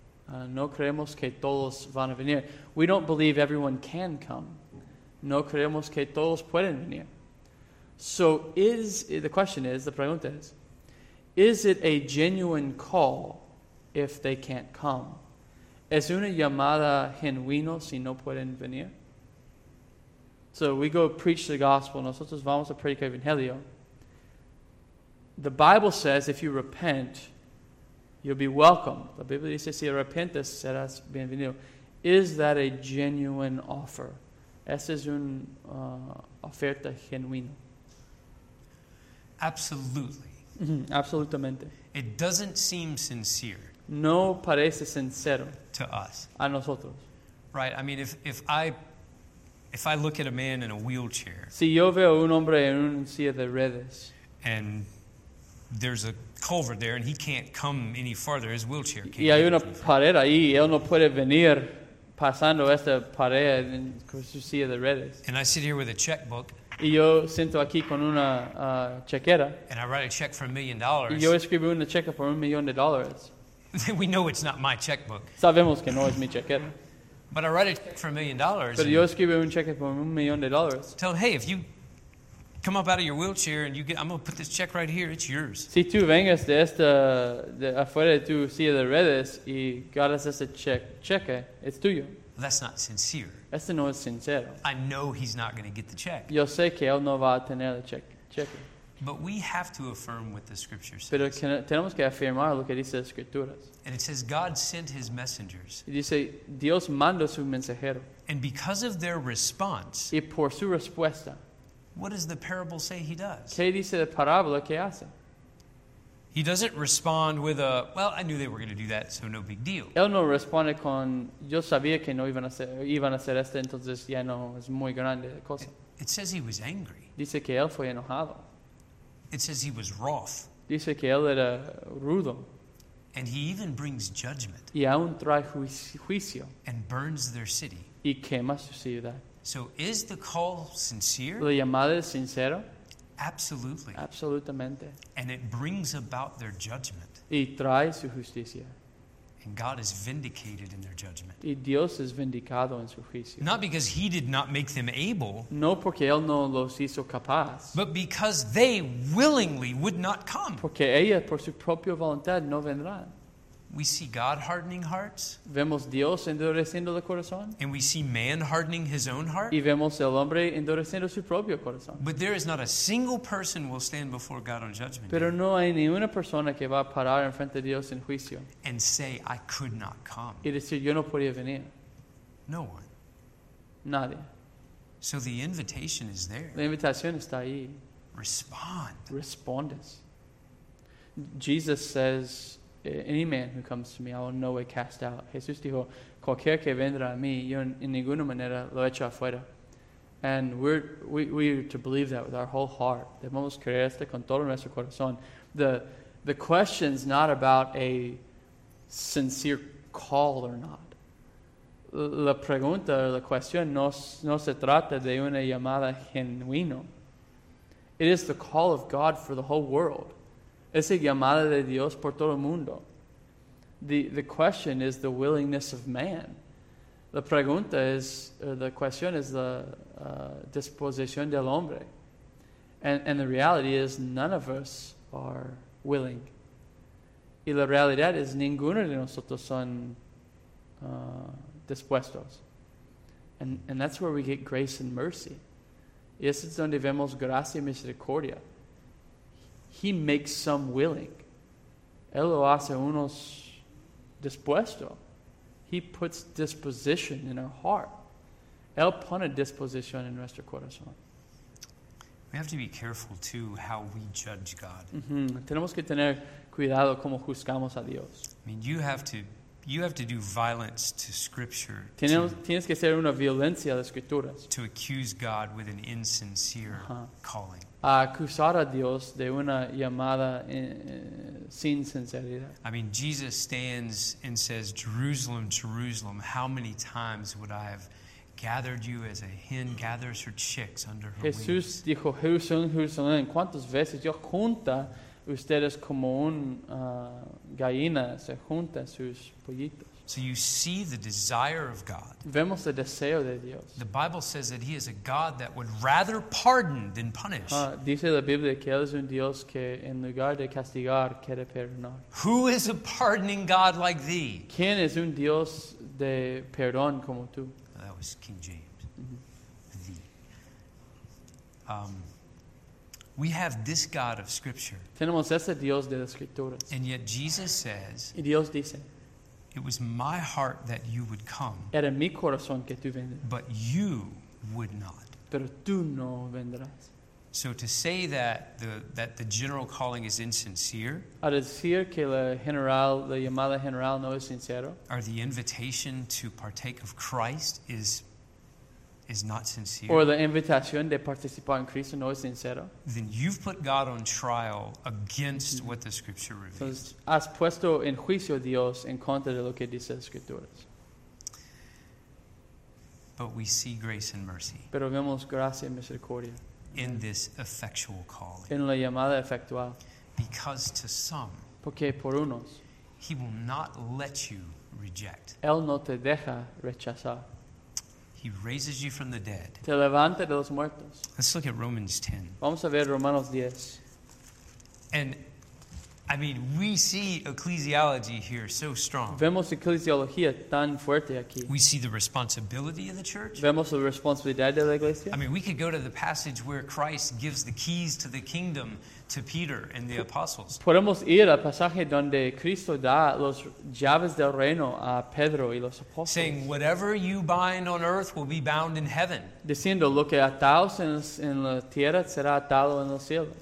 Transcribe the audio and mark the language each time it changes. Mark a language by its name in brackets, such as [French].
[Spanish] No creemos que todos van a venir. [English] We don't believe everyone can come. [Spanish] No creemos que todos pueden venir. [English] So the pregunta is, is it a genuine call if they can't come? [Spanish] ¿Es una llamada genuino si no pueden venir? [English] So we go preach the gospel. [Spanish] Nosotros vamos a predicar el evangelio. [English] The Bible says if you repent, you'll be welcome. [Spanish] La Biblia dice, si arrepentes, serás bienvenido. [English] Is that a genuine offer? [Spanish] ¿Esa es una oferta genuina? [English] Absolutely. [Spanish] Absolutamente. [English] It doesn't seem sincere. [Spanish] No parece sincero. [English] To us. [Spanish] A nosotros. [English] Right, I mean, if I look at a man in a wheelchair. [Spanish] Si yo veo un hombre en una silla de ruedas. [English] And there's a culvert there and he can't come any farther. His wheelchair can't. [Spanish] Y hay una pared ahí y él no puede venir pasando esta pared en su silla de ruedas. [English] And I sit here with a checkbook. [Spanish] Y yo siento aquí con una chequera. [English] And I write a check for $1,000,000. [Spanish] Y yo escribo una cheque por $1,000,000. [English] We know it's not my checkbook. [Spanish] Sabemos que no es mi chequera. [English] But I write a check for $1,000,000. [Spanish] Pero yo escribo un cheque por $1,000,000. [English] Tell him, hey, if you come up out of your wheelchair and you get, I'm going to put this check right here, it's yours. [Spanish] Si tú vengas de esta, de afuera de tu silla de ruedas y ganas este cheque, es tuyo. [English] That's not sincere. [Spanish] Este no es sincero. [English] I know he's not going to get the check. [Spanish] Yo sé que él no va a tener el cheque. [English] But we have to affirm what the scripture says. [Spanish] Pero tenemos que afirmar lo que dice las escrituras. [English] And it says God sent his messengers. [Spanish] Y dice, Dios mandó su mensajero. [English] And because of their response. [Spanish] Y por su respuesta. [English] What does the parable say he does? [Spanish] ¿Qué dice la parábola que hace? [English] He doesn't respond with a, well, I knew they were going to do that, so no big deal. [Spanish] Él no responde con, yo sabía que no iban a hacer esto, entonces ya no es muy grande la cosa. [English] It says he was angry. [Spanish] Dice que él fue enojado. [English] It says he was wroth. [Spanish] Dice que él era rudo. [English] And he even brings judgment. [Spanish] Y aún trae juicio. [English] And burns their city. [Spanish] Y quema su ciudad. [English] So is the call sincere? [Spanish] ¿La llamada es sincera? [English] Absolutely. [Spanish] Absolutamente. [English] And it brings about their judgment. [Spanish] Y trae su justicia. [English] And God is vindicated in their judgment. [Spanish] Y Dios es vindicado en su juicio. [English] Not because he did not make them able. [Spanish] No porque él no los hizo capaz. [English] But because they willingly would not come. [Spanish] Porque ella por su propia voluntad no vendrán. [English] We see God hardening hearts. [Spanish] Vemos Dios endureciendo el corazón. [English] And we see man hardening his own heart. [Spanish] Y vemos el hombre endureciendo su propio corazón. [English] But there is not a single person will stand before God on judgment. [Spanish] Pero no hay ninguna persona que va a parar en frente de Dios en juicio. [English] And say, I could not come. [Spanish] Y decir, yo no podía venir. [English] No one. [Spanish] Nadie. [English] So the invitation is there. [Spanish] La invitación está ahí. [English] Respond. [Spanish] Respondes. [English] Jesus says, any man who comes to me, I will no way cast out. [Spanish] Jesús dijo, cualquier que vendrá a mí, yo en ninguna manera lo echo afuera. [English] And we're to believe that with our whole heart. [Spanish] Debemos creer esto con todo nuestro corazón. [English] The question's not about a sincere call or not. [Spanish] La pregunta, la cuestión, no se trata de una llamada genuina. [English] It is the call of God for the whole world. [Spanish] Esa llamada de Dios por todo el mundo. [English] The question is the willingness of man. [Spanish] La pregunta es, [English] the question is the [Spanish] disposición del hombre. [English] And the reality is none of us are willing. [Spanish] Y la realidad es ninguno de nosotros son dispuestos. [English] And that's where we get grace and mercy. [Spanish] Y eso es donde vemos gracia y misericordia. [English] He makes some willing. [Spanish] Él lo hace unos dispuesto. [English] He puts disposition in our heart. [Spanish] Él pone disposición en nuestro corazón. [English] We have to be careful too how we judge God. Mm-hmm. [Spanish] Tenemos que tener cuidado cómo juzgamos a Dios. [English] I mean, you have to do violence to Scripture. [Spanish] Tienes que hacer una violencia a las Escrituras. [English] To accuse God with an insincere calling. [Spanish] A acusar a Dios de una llamada sin sinceridad. [English] I mean, Jesus stands and says, Jerusalem, Jerusalem, how many times would I have gathered you as a hen gathers her chicks under her [Spanish] Jesús Jesús dijo, Jerusalén, Jerusalén, ¿cuántas veces yo junta ustedes como una gallina se junta sus pollitos? [English] So you see the desire of God. [Spanish] Vemos el deseo de Dios. [English] The Bible says that He is a God that would rather pardon than punish. [Spanish] Dice la Biblia que Él es un Dios que en lugar de castigar quiere perdonar. [English] Who is a pardoning God like thee? [Spanish] ¿Quién es un Dios de perdón como tú? [English] That was King James. Mm-hmm. Thee. We have this God of Scripture. [Spanish] Tenemos ese Dios de las Escrituras. [English] And yet Jesus says. [Spanish] Y Dios dice. [English] It was my heart that you would come. [Spanish] Era mi corazón que tú vendrás. [English] But you would not. [Spanish] Pero tú no vendrás. [English] So to say that the general calling is insincere. [Spanish] A decir que la llamada general no es sincero. [English] Or the invitation to partake of Christ is not sincere. [Spanish] O la invitación de participar en Cristo no es sincero. [English] Then you've put God on trial against what the Scripture reveals. [Spanish] Entonces, has puesto en juicio a Dios en contra de lo que dice las Escrituras. [English] But we see grace and mercy. [Spanish] Pero vemos gracia y misericordia. [English] In this effectual calling. [Spanish] En la llamada efectual. [English] Because to some. [Spanish] Porque por unos. [English] He will not let you reject. [Spanish] Él no te deja rechazar. [English] He raises you from the dead. [Spanish] Te levanta de los muertos. [English] Let's look at Romans 10. [Spanish] Vamos a ver Romanos 10. [English] And, I mean, we see ecclesiology here so strong. [Spanish] Vemos eclesiología tan fuerte aquí. [English] We see the responsibility of the church. [Spanish] Vemos la responsabilidad de la iglesia. [English] I mean, we could go to the passage where Christ gives the keys to the kingdom to Peter and the apostles. [Spanish] Podemos ir al pasaje donde Cristo da los llaves del reino a Pedro y los apóstoles. [English] Saying, whatever you bind on earth will be bound in heaven. [Spanish] Diciendo, lo que atados en la tierra será atado en los cielos.